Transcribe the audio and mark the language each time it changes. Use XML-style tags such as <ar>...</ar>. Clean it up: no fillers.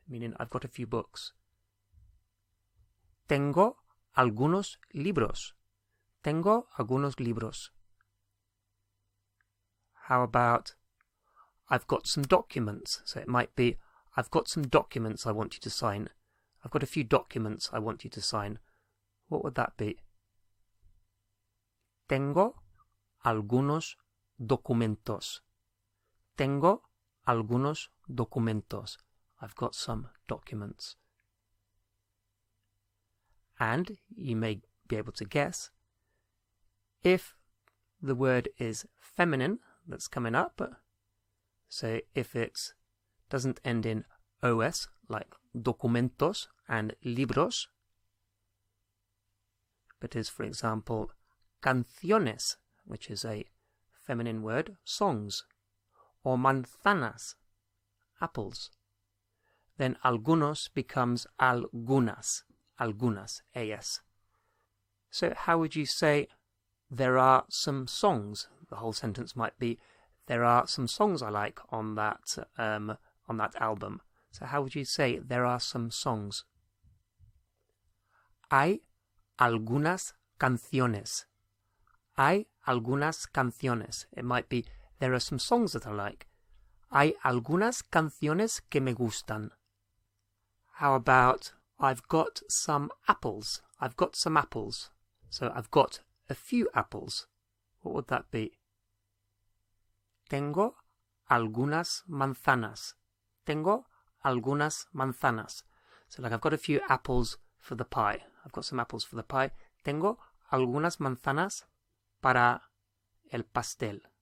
<en>Meaning, I've got a few books.</en> <es>Tengo algunos libros. Tengo algunos libros.</es> <en>How about, I've got some documents? So it might be, I've got some documents I want you to sign. I've got a few documents I want you to sign. What would that be?</en> <es>Tengo algunos documentos. Tengo algunos documentos.</es> <en>I've got some documents. And you may be able to guess, if the word is feminine that's coming up, so if it doesn't end in os, like documentos and libros, but is, for example, canciones, which is a feminine word, songs, or manzanas, apples, then algunos becomes algunas, algunas, as. So how would you say, there are some songs? The whole sentence might be, there are some songs I like on that album. So how would you say there are some songs?</en> <es>Hay algunas canciones. Hay algunas canciones.</es> <en>It might be there are some songs that I like.</en> <es>Hay algunas canciones que me gustan.</es> <en>How about I've got some apples? I've got some apples. So I've got a few apples. What would that be?</en> <es>Tengo algunas manzanas. Tengo algunas manzanas.</es> <en>So like I've got a few apples for the pie. I've got some apples for the pie.</en> <es>Tengo algunas manzanas para el pastel.</es>